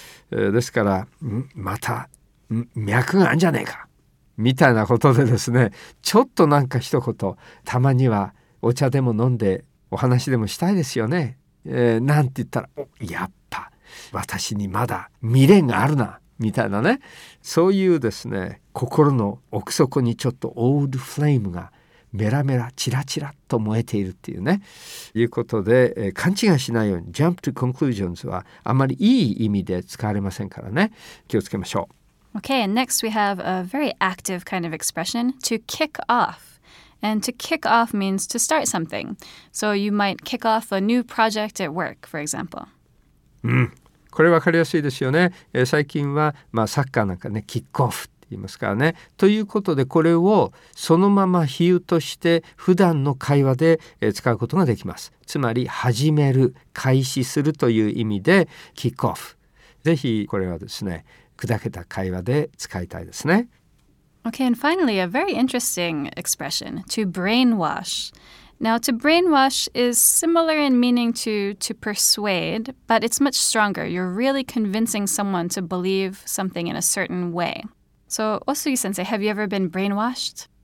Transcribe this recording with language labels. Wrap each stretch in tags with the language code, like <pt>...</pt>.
<ja>ですから、また脈があるんじゃねえかみたいなことでですね、ちょっとなんか一言たまにはお茶でも飲んでお話でもしたいですよね、なんて言ったら、やっぱ私にまだ未練があるなみたいなね、そういうですね、心の奥底にちょっとオールフレームがメラメラチラチラと燃えているっていうね、いうことで、勘違いしないように、</ja> <en>jump to conclusions</en> <ja>はあまりいい意味で使われませんからね、気をつけましょう。</ja> <en>Okay, and next we have a very active kind of expression, to kick off. And to kick off means to start something. So you might kick off a new project at work, for example.</en> <ja>これ分かりやすいですよね。最近は、サッカーなんかね、キックオフって言いますからね。ということで、これをそのまま比喩として普段の会話で使うことができます。つまり始める、開始するという意味でキックオフ。ぜひこれはですね、砕けた会話で使いたいですね。</ja> <en>Okay, and finally, a very interesting expression, to brainwash. Now, to brainwash is similar in meaning to persuade, but it's much stronger. You're really convincing someone to believe something in a certain way. So, Osugi-sensei, have you ever been brainwashed?</en>